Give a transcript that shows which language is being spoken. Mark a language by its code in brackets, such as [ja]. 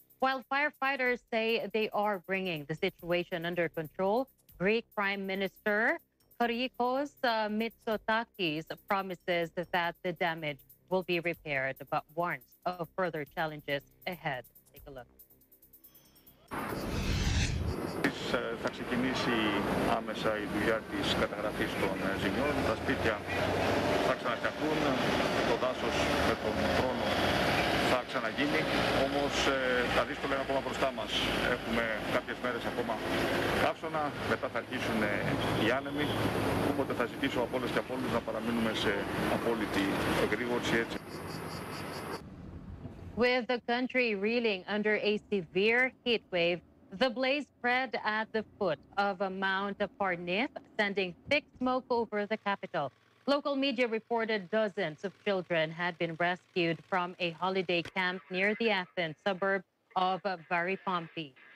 [en] While firefighters say they are bringing the situation under control, Greek Prime Minister Kyriakos Mitsotakis promises that the damage will be repaired, but warns of further challenges ahead. Take a look. [el] Θα ξεκινήσει άμεσα η δουλειά της καταγραφής των ζημιών. Τα σπίτια θα ξαναφτιαχτούν, το δάσος με τον χρόνο θα ξαναγίνει. Όμως τα δύσκολα είναι ακόμα μπροστά μας. Έχουμε κάποιες μέρες ακόμα καύσωνα, μετά θα αρχίσουν οι άνεμοι. Οπότε θα ζητήσω από όλες και από όλους να παραμείνουμε σε απόλυτη εγρήγορση έτσι. [en] With the country reeling under a severe heat wave, the blaze spread at the foot of Mount Parnith, sending thick smoke over the capital. Local media reported dozens of children had been rescued from a holiday camp near the Athens suburb of Varipampi.